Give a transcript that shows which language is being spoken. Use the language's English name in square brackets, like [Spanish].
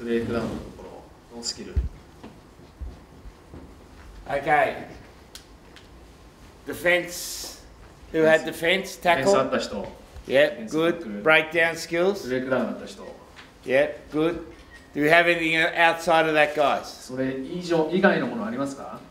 [Japanese] ブレイクダウンのところのスキル。 [English] Okay. Defense. Who had defense? Tackle. [Japanese] ディフェンスあった人。 [English] Yep, good. Breakdown skills. [Japanese] ブレイクダウンあった人。 [English] Yep, good. Do you have anything outside of that, guys? [Japanese] それ以上以外のものありますか?